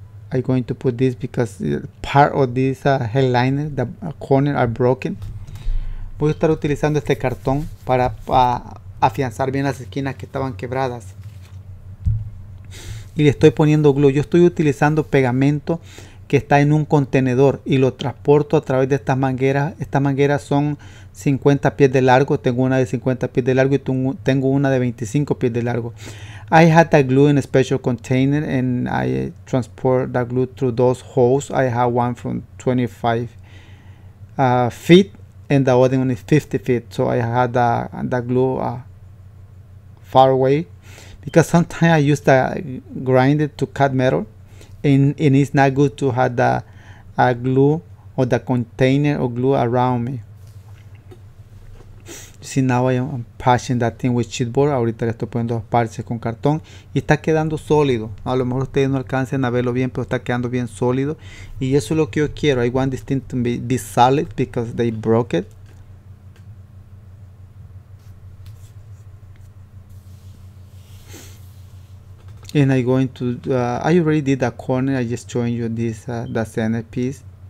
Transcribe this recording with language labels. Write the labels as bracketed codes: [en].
[en] I'm going to put this because part of this headliner, the corner are broken. [es] Voy a estar utilizando este cartón para afianzar bien las esquinas que estaban quebradas. Y le estoy poniendo glue. Yo estoy utilizando pegamento que está en un contenedor y lo transporto a través de estas mangueras. Estas mangueras son 50 pies de largo. Tengo una de 50 pies de largo y tengo una de 25 pies de largo. [en] I had the glue in a special container and I transport the glue through those holes. I have one from 25 feet. And the other one is 50 feet, so I had the glue far away, because sometimes I use the grinder to cut metal, and it's not good to have the glue or the container or glue around me. See, now I am patching that thing with chipboard. [es] Ahorita le estoy poniendo parches con cartón y está quedando sólido. A lo mejor ustedes no alcancen a verlo bien, pero está quedando bien sólido. Y eso es lo que yo quiero. [en] I want this thing to be solid because they broke it. And I'm going to. I already did the corner. I just showing you this, the centerpiece.